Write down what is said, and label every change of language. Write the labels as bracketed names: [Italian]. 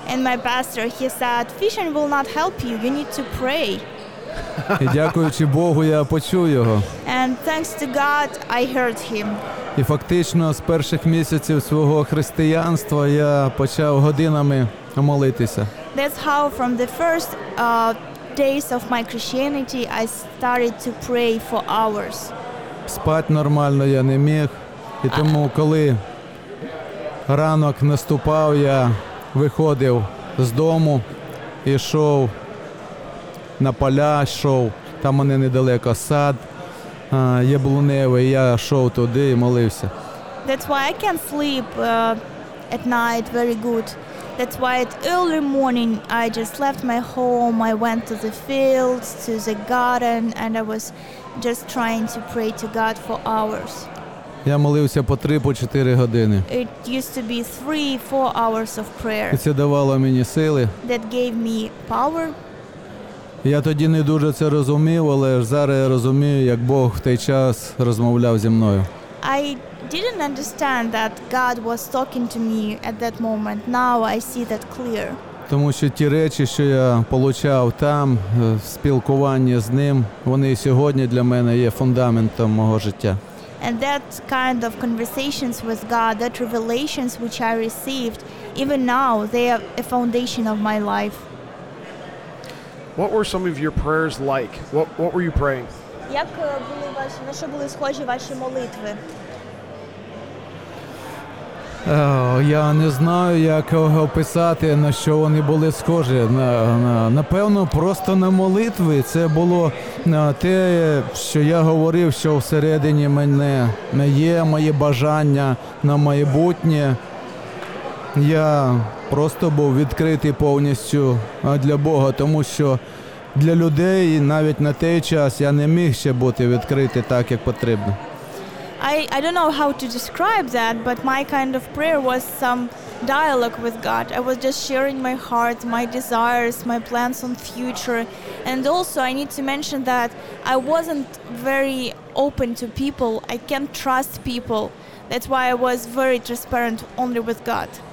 [English] And my pastor, he said, fishing will not help you, you need to pray. [Ukrainian] І дякуючи Богу, я почув його. [English] And thanks to God, I heard him. [Ukrainian] І фактично з перших місяців свого християнства я почав годинами молитися. [English] That's how from the first days of my Christianity I started to pray for hours. [Ukrainian] Спати нормально я не міг, і тому коли ранок наступав, я виходив з дому і йшов на поля, йшов Там у мене недалеко сад. Я був у небі, я йшов туди і молився. [English] That's why I can sleep at night very good. That's why at early morning I just left my home, I went to the fields, to the garden, and I was just trying to pray to God for hours. [Ukrainian] Я молився по 3-4 години. [English] It used to be 3-4 hours of prayer. [Ukrainian] Це давало мені сили. [English] That gave me power. [Ukrainian] Я тоді не дуже це розумів, але зараз я розумію, як Бог в той час розмовляв зі мною. [English] I didn't understand that God was talking to me at that moment. Now I see that clear. [Ukrainian] Тому що ті речі, що я получав там, спілкування з ним, вони сьогодні для мене є фундаментом мого життя. [English] And that kind of conversations with God, that revelations which I received, even now, they are a foundation of my life. What were some of your prayers like? What were you praying? [Ukrainian] Як були ваші, на що були схожі ваші молитви? Я не знаю, як описати, на що вони були схожі. Напевно, просто на молитви. Це було те, що я говорив, що всередині мене є мої бажання на майбутнє. Я просто був відкритий повністю для Бога, тому що для людей навіть на той час я не міг ще бути відкритий так, як потрібно. [English] I don't know how to describe that, but my kind of prayer was some dialogue with God. I was just sharing my heart, my desires, my plans on future. And also I need to mention that I wasn't very open to people. I can't trust people. That's why I was very transparent only with God.